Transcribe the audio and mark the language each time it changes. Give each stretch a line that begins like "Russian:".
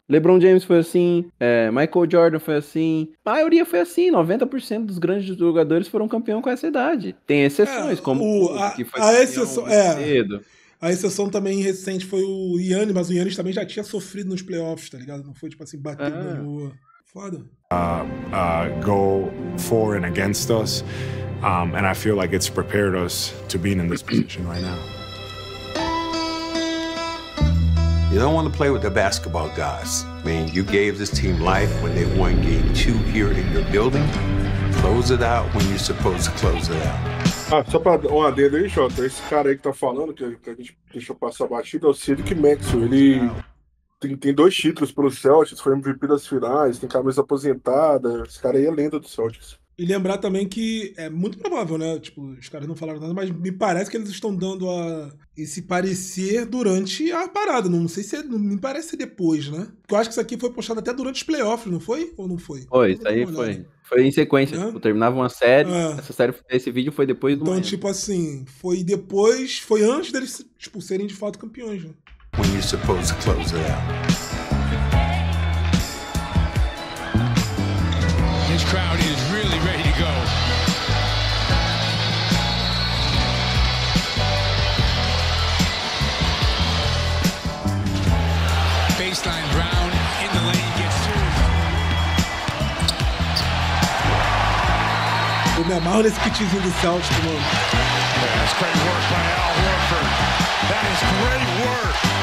Portuguese: LeBron James foi assim, Michael Jordan foi assim, a maioria foi assim, 90% dos grandes jogadores foram campeão com essa idade. Tem exceções, que foi a exceção, cedo. A exceção também recente foi o Giannis, mas o Giannis também já tinha sofrido nos playoffs, tá ligado? Não foi tipo assim, bater na rua. Foda.
English: Go for and against us. And I feel like it's prepared us to be in this position right now. You don't want to play with the basketball guys. I mean, you gave this team life when they won game 2 here in your building. Close it out when you're supposed to close it out.
Portuguese: Só pra dar um adendo aí, Jota, esse cara aí que tá falando, que a gente deixou passar batido, é o Cedric Maxwell. Ele tem dois títulos pelo Celtics, foi MVP das finais, tem camisa aposentada, esse cara aí é lenda do Celtics. E lembrar também que é muito provável, né, tipo, os caras não falaram nada, mas me parece que eles estão dando esse parecer durante a parada, não sei se me parece ser depois, né? Porque eu acho que isso aqui foi postado até durante os playoffs, não foi? Ou não foi? Foi, isso aí foi. Foi em sequência, tipo, terminava uma série, esse vídeo foi depois do Então, tipo assim, foi antes deles, tipo, serem de fato campeões, né?
English: When you're supposed to close it out. This crowd is really ready to go. Baseline drive.
Portuguese: Eu me amarro nesse kitzinho do Celtics, mano.
English: That's great work by Al Horford. That is great work.